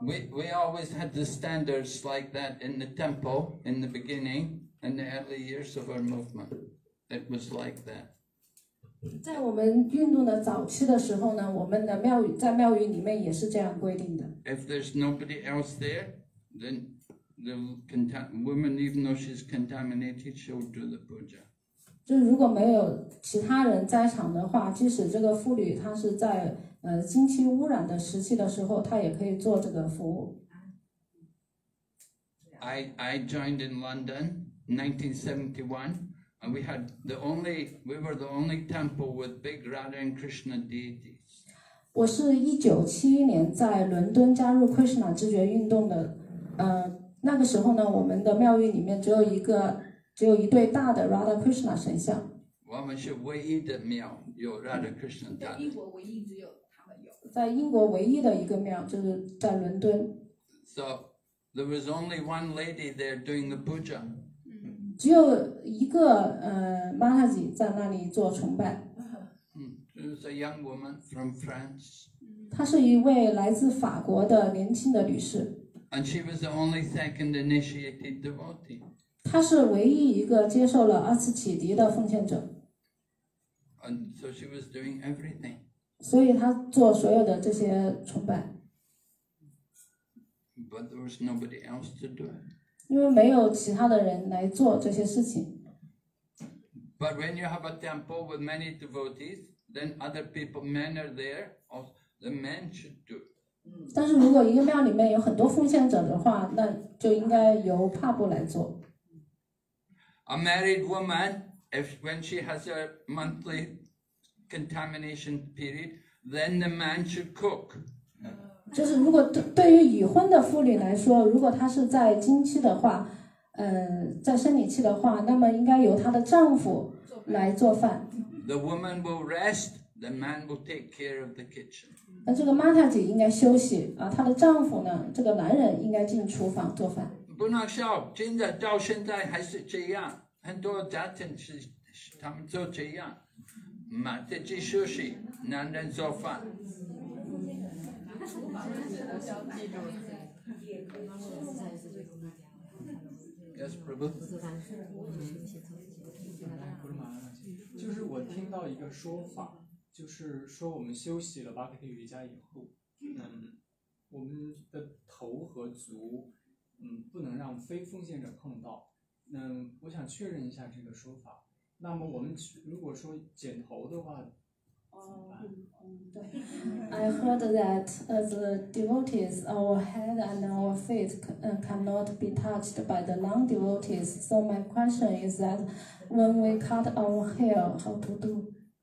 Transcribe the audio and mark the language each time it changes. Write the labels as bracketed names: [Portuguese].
[English] we always had the standards like that in the temple in the beginning in the early years of our movement. It was like that. [Chinese] 在我们运动的早期的时候呢，我们的庙宇在庙宇里面也是这样规定的。 [English] If there's nobody else there, then the woman, even though she's contaminated, she'll do the puja. [Chinese] 就如果没有其他人在场的话，即使这个妇女她是在经期污染的时期的时候，她也可以做这个服务。 [English] I joined in London, 1971. And we had the only, we were the only temple with big Radha and Krishna deities. [Chinese] 我是1971年在伦敦加入 Krishna 知觉运动的，那个时候呢，我们的庙宇里面只有一个，只有一对大的 Radha Krishna 神像。我们是唯一的庙有 Radha Krishna 大的。在英国唯一只有他们有。在英国唯一的一个庙就是在伦敦。 [English] So there was only one lady there doing the puja. [Chinese] 只有一个Mataji在那里做崇拜。 [English] She's a young woman from France. [Chinese] 她是一位来自法国的年轻的女士。 [English] And she was the only second initiated devotee. [Chinese] 她是唯一一个接受了二次启迪的奉献者。 [English] And so she was doing everything. [Chinese] 所以她做所有的这些崇拜。 [English] But there was nobody else to do it. [Chinese] 因为没有其他的人来做这些事情。 [English] But when you have a temple with many devotees, then other people, men are there, or the men should do. [Chinese] 但是如果一个庙里面有很多奉献者的话，那就应该由帕布来做。 [English] A married woman, if when she has a monthly contamination period, then the man should cook. [Chinese] 就是如果对于已婚的妇女来说，如果她是在经期的话，在生理期的话，那么应该由她的丈夫来做饭。 [English] The woman will rest, the man will take care of the kitchen. [Chinese] 那这个Mataji应该休息啊，她的丈夫呢，这个男人应该进厨房做饭。不能笑，真的到现在还是这样，很多家庭是他们做这样，Mataji休息，男人做饭。 [English] Yes, Prabhu. [Chinese] 就是我听到一个说法，就是说我们休息了巴克提瑜伽以后，我们的头和足，不能让非奉献者碰到。我想确认一下这个说法。那么我们如果说剪头的话。 [English] I heard that as the devotees, our head and our feet cannot be touched by the non-devotees. So my question is that when we cut our hair, how to do?